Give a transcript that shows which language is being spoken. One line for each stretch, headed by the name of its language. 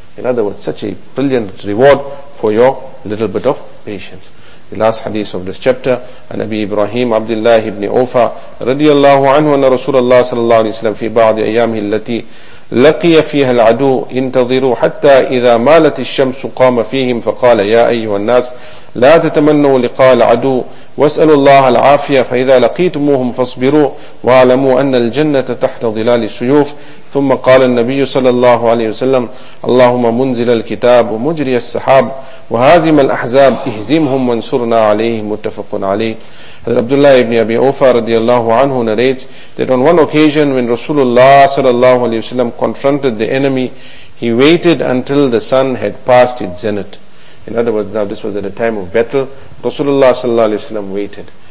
English: In other words, such a brilliant reward for your little bit of patience. The last hadith of this chapter, and
Arabic: Abi Ibrahim Abdullah ibn Ufa radiyallahu anhu, and Rasulullah sallallahu alaihi wasallam fi ba'd ayamihi allati لقي فيها العدو انتظروا حتى إذا مالت الشمس قام فيهم فقال يا أيها الناس لا تتمنوا لقاء العدو واسألوا الله العافية فإذا لقيتموهم فاصبروا واعلموا أن الجنة تحت ظلال السيوف. ثم قال النبي صلى الله عليه وسلم: اللهم منزل الكتاب ومجري السحاب وهازم الأحزاب اهزمهم وانصرنا عليه. متفق عليه.
English: Hazrat Abdullah ibn Abi Awfa radiallahu anhu narrates that on one occasion when Rasulullah sallallahu alayhi wa sallam confronted the enemy, he waited until the sun had passed its zenith. In other words, now this was at a time of battle. Rasulullah sallallahu alayhi wa sallam waited.